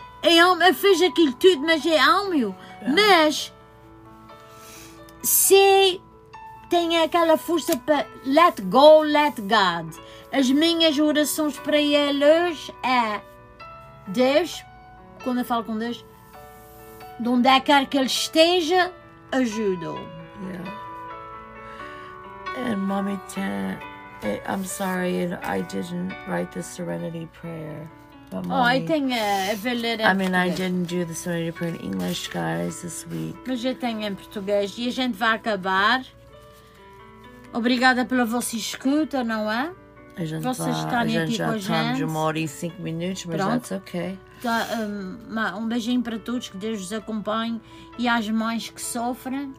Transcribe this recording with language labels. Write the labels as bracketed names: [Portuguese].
[Portuguese] Eu fiz aquilo tudo, mas eu amo-o. Yeah. Mas se tem aquela força para [English] let go, let God. [Portuguese] As minhas orações para ele hoje é Deus, quando eu falo com Deus, de onde é que quer que ele esteja, ajuda-o. [English] And mommy, I'm sorry, I didn't write the Serenity Prayer. But mommy, oh, I think I will read it. I mean, I didn't do the Serenity Prayer in English, guys, this week. [Portuguese] Mas eu tenho em português e a gente vai acabar. Obrigada pela vossa escuta, não é? A gente já está de uma hora e cinco minutos, mas pronto. [English] That's okay. [Portuguese] Um beijinho para todos, que Deus vos acompanhe, e às mães que sofrem,